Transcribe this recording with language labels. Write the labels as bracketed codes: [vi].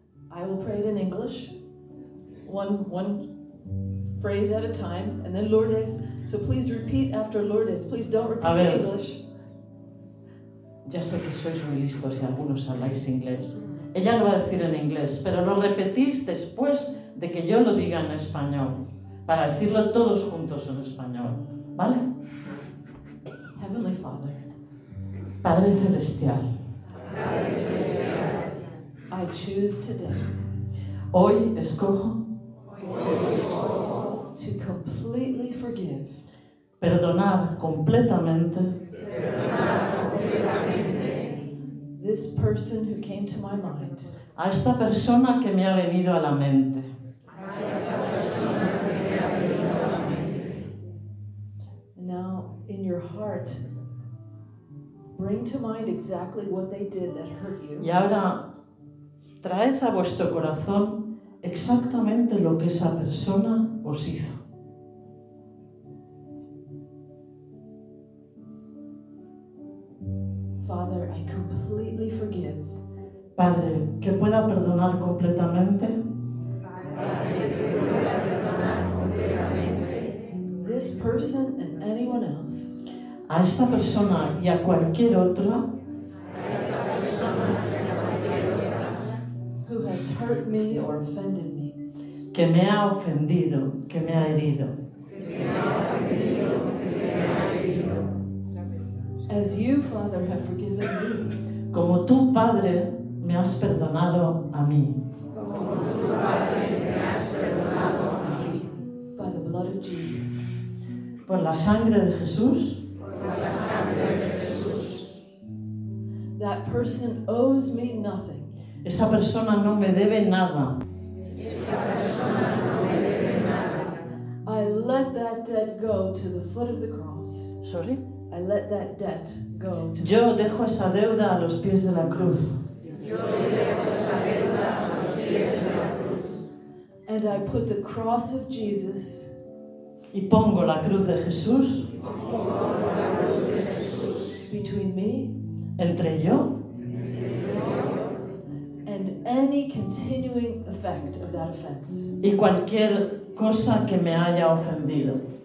[en] I will pray it in English, one phrase at a time, and then Lourdes. So please repeat after Lourdes. Please don't repeat in English. [es] Ya sé que sois muy listos y algunos habláis inglés. Ella lo va a decir en inglés, pero lo repetís después de que yo lo diga en español, para decirlo todos juntos en español, ¿vale? [en] Heavenly Father. [es] Padre Celestial, [en] I choose today. [es] Hoy escojo [en] to completely forgive. [es] Perdonar completamente. [en] This person who came to my mind. [es] A esta persona que me ha venido a la mente. [en] Now in your heart. Bring to mind exactly what they did that hurt you. [es] Y ahora, traed a vuestro corazón exactamente lo que esa persona os hizo. [en] Father, I completely forgive. [es] Padre, que pueda perdonar completamente. [en] This person and anyone else. [es] A esta persona y a cualquier otra [en] who has has hurt me or offended me. [es] Que me ha ofendido, que me ha herido. [en] As you, Father, have forgiven me. [es] Como tú, Padre, me has perdonado a mí. [en] By the blood of Jesus. [es] Por la sangre de Jesús. [en] That person owes me nothing. [es] Esa persona no me debe nada. [en] I let that debt go to the foot of the cross. Sorry? I let that debt go to [es] Yo dejo esa deuda a los pies de la cruz. [en] And I put the cross of Jesus. [es] Y pongo la cruz de Jesús. [en] Between me. [es] Entre yo. [en] And any continuing effect of that offense. [es] Y cualquier cosa que me haya ofendido.